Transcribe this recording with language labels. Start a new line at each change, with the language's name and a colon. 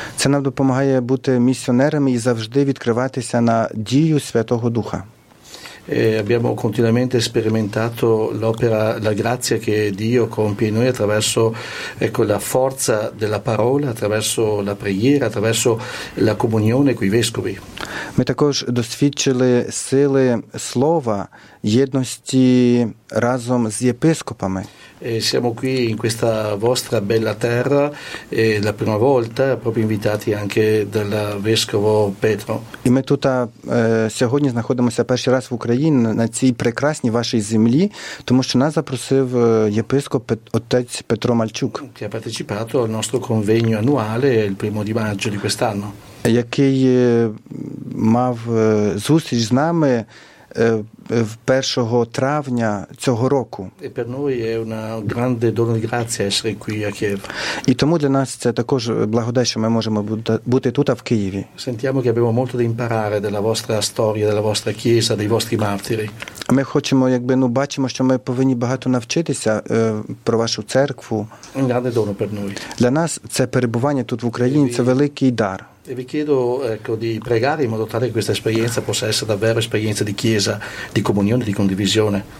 Ukrainian: Це нам допомагає бути місіонерами і завжди відкриватися на дію Святого Духа.
Italian: Abbiamo continuamente sperimentato l'opera, la grazia che Dio compie in noi attraverso, ecco, la forza della parola, attraverso la preghiera, attraverso la comunione con i vescovi.
Ukrainian: Ми також досвідчили сили слова, єдності разом з єпископами.
Italian: E siamo qui in questa vostra bella terra e la prima volta, proprio invitati anche dal vescovo Petro.
Ukrainian: І ми тут сьогодні знаходимося перший раз в Україні на цій прекрасній вашій землі, тому що нас запросив єпископ отець Петро Мальчук,
Italian: che ha partecipato al nostro convegno annuale il primo di maggio di quest'anno,
Ukrainian: який мав зустріч з нами 1 травня цього року.
Italian: E per noi è una grande dono di grazia essere qui a Kiev.
Ukrainian: І тому для нас це також благодать, що ми можемо бути тут, в Києві.
Italian: Sentiamo che abbiamo molto da imparare della vostra storia, della vostra chiesa, dei vostri martiri.
Ukrainian: Ми хочемо, якби, ну, бачимо, що ми повинні багато навчитися про вашу церкву.
Italian: È un grande dono per noi.
Ukrainian: Для нас це перебування тут в Україні, це великий дар.
Italian: E vi chiedo, ecco, di pregare in modo tale che questa esperienza possa essere davvero esperienza di chiesa, di comunione, di condivisione.